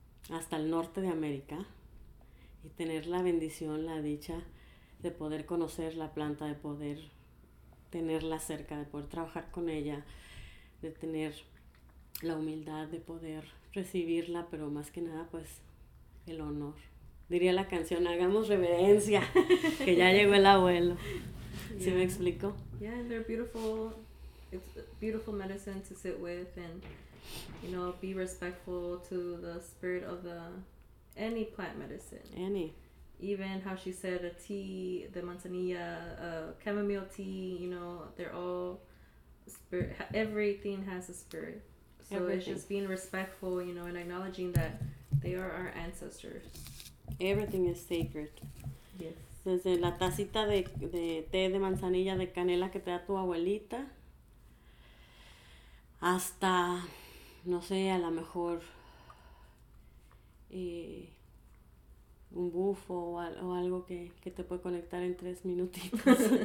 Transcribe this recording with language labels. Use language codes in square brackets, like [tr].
[es] hasta el norte de América, y tener la bendición, la dicha de poder conocer la planta, de poder tenerla cerca, de poder trabajar con ella, de tener la humildad de poder recibirla, pero más que nada, pues, el honor. Diría la canción, hagamos reverencia, que ya llegó el abuelo. [en] Yeah. [es] ¿Sí me explico? [en] Yeah, and they're beautiful. It's a beautiful medicine to sit with and, you know, be respectful to the spirit of the any plant medicine. Any. Even how she said a tea, the manzanilla, chamomile tea, you know, they're all spirit. Everything has a spirit. So everything. It's just being respectful, you know, and acknowledging that they are our ancestors. Everything is sacred. Yes. [es] Desde la tacita de té de manzanilla de canela que te da tu abuelita, hasta, no sé, a lo mejor un bufo o algo que te puede conectar en 3 minutitos.